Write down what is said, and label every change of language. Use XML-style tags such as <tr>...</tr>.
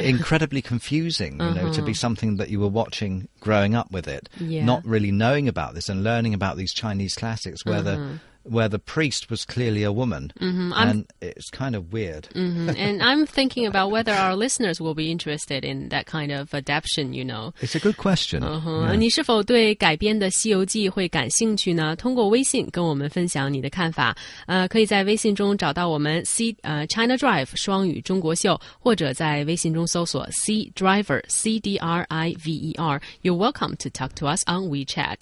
<en>made it incredibly confusing, you know, to be something that you were watching growing up with it, not really knowing about this and learning about these Chinese classics where the priest was clearly a woman. And it's kind of weird. And I'm thinking about whether our listeners will be interested in that kind of adaption, you know. It's a good question.</en> <zh>你是否对改编的《西游记》会感兴趣呢？通过微信跟我们分享你的看法。可以在微信中找到我们 C, China Drive 双语中国秀，或者在微信中搜索 C Driver, C-D-R-I-V-E-R.</zh> <en>You're welcome to talk to us on WeChat.</en>